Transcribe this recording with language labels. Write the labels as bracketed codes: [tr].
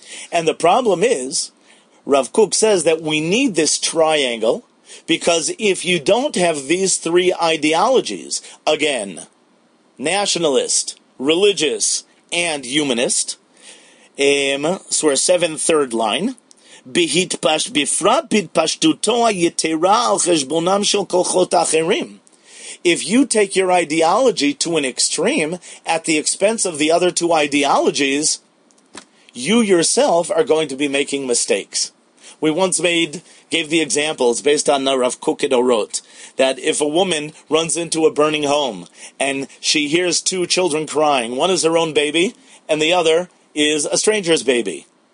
[en] And the problem is, Rav Kook says that we need this triangle, because if you don't have these three ideologies, again, nationalist, religious, and humanist, source 7, third line, [he] בפרט בהתפשטותו היתרה על חשבונם של כוחות אחרים. [en] If you take your ideology to an extreme at the expense of the other two ideologies, you yourself are going to be making mistakes. We once gave the examples based on the Rav Kook at Orot, that if a woman runs into a burning home and she hears two children crying, one is her own baby and the other is a stranger's baby.